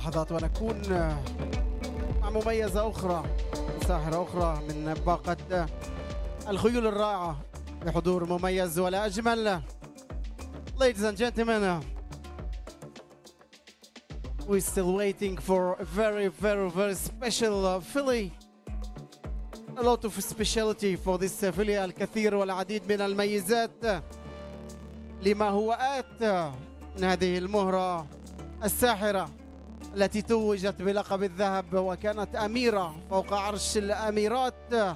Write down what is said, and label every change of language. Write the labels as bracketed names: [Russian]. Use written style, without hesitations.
[Arabic] ونكون مع مميزة أخرى، ساحرة أخرى من باقة الخيول الرائعة بحضور مميز ولا أجمل. [English] Ladies and gentlemen, we're still waiting for a very very very special filly. A lot of speciality for this filly. [Arabic] الكثير والعديد من الميزات لما هو آت من هذه المهرة الساحرة التي توجت بلقب الذهب وكانت أميرة فوق عرش الأميرات.